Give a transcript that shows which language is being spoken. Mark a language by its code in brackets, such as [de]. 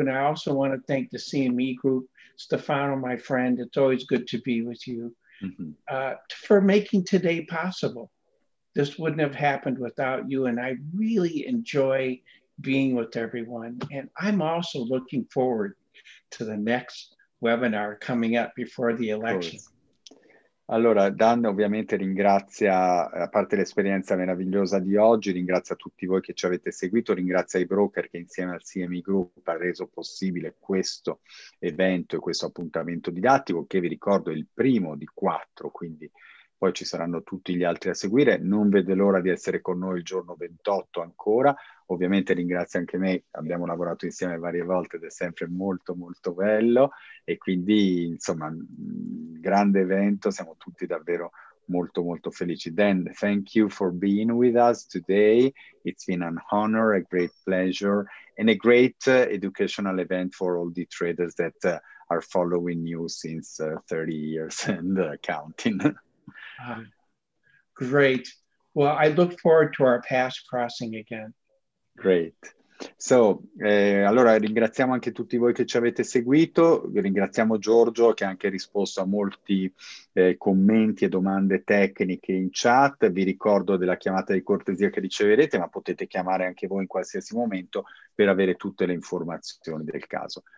[en] And I also want to thank the CME group. Stefano, my friend, it's always good to be with you, for making today possible. This wouldn't have happened without you, and I really enjoy being with everyone. And I'm also looking forward to the next webinar coming up before the election. [it] Allora, Dan ovviamente ringrazia, a parte l'esperienza meravigliosa di oggi, ringrazia tutti voi che ci avete seguito, ringrazia i broker che insieme al CME Group ha reso possibile questo evento e questo appuntamento didattico, che vi ricordo è il primo di quattro, quindi poi ci saranno tutti gli altri a seguire. Non vede l'ora di essere con noi il giorno 28 ancora. Ovviamente ringrazio anche me, abbiamo lavorato insieme varie volte ed è sempre molto molto bello, e quindi insomma, grande evento, siamo tutti davvero molto molto felici. [en] Dan, thank you for being with us today, it's been an honor, a great pleasure and a great educational event for all the traders that are following you since 30 years and counting. Great, well I look forward to our paths crossing again. Great. [it] So, allora ringraziamo anche tutti voi che ci avete seguito, ringraziamo Giorgio che ha anche risposto a molti commenti e domande tecniche in chat, vi ricordo della chiamata di cortesia che riceverete, ma potete chiamare anche voi in qualsiasi momento per avere tutte le informazioni del caso.